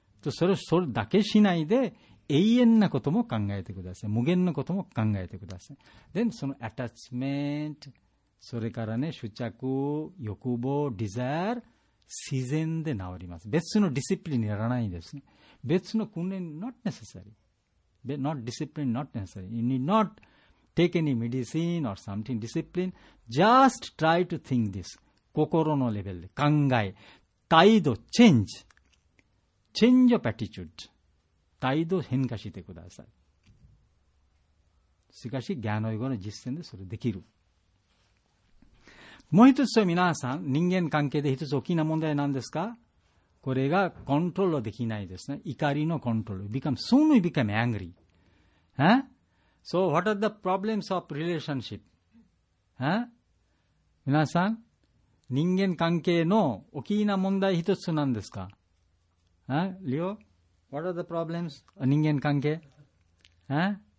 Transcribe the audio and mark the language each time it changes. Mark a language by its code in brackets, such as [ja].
[ja] それだけしないで永遠なことも考えてください。無限のことも考えてください。でそのアタッチメント、それからね執着、欲望、デザイア、自然で治ります。別のディシプリンにならないんです。別の訓練 [en] not necessary, not discipline, not necessary. You need not take any medicine or something discipline. Just try to think this. [ja] 心のレベルで考え、態度 [en] change, change of attitude, [ja] 態度変化してください。しかし ジナ ヨガ の実践でそれできる。もう一つ皆さん、人間関係で一つ大きな問題なんですか、これがコントロールできないですね。怒りのコントロール。 [en] Become, soon we become angry.、Huh? So what are the problems of relationship?、Huh? [ja] 皆さん、人間関係の大きな問題一つなんですか、huh? [en] Leo, what are the problems of 人間関係、huh?